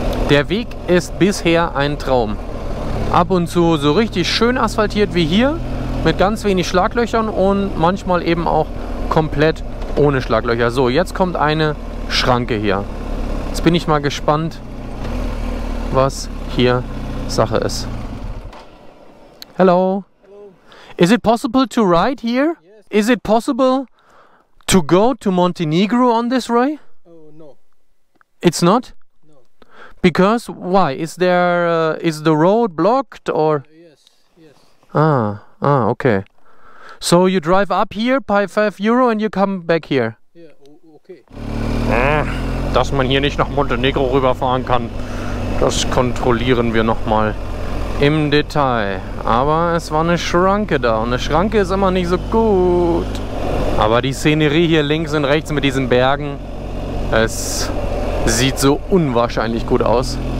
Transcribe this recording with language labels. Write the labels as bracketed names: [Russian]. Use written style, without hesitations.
[German] Der Weg ist bisher ein Traum. Ab und zu so richtig schön asphaltiert wie hier, mit ganz wenig Schlaglöchern und manchmal eben auch komplett ohne Schlaglöcher. So, jetzt kommt eine Schranke hier. Jetzt bin ich mal gespannt, was hier Sache ist. [English] Hello. Is it possible to ride here? Yes. Is it possible to go to Montenegro on this way? Oh, no. It's not? No. Because why? Is there is the road blocked or? Yes. Ah, okay. So you drive up here, pay 5 euro and you come back here. Yeah, okay. [German] Dass man hier nicht nach Montenegro rüberfahren kann, das kontrollieren wir nochmal. Im Detail. Aber es war eine Schranke da. Und eine Schranke ist immer nicht so gut. Aber die Szenerie hier links und rechts mit diesen Bergen, es sieht so unwahrscheinlich gut aus.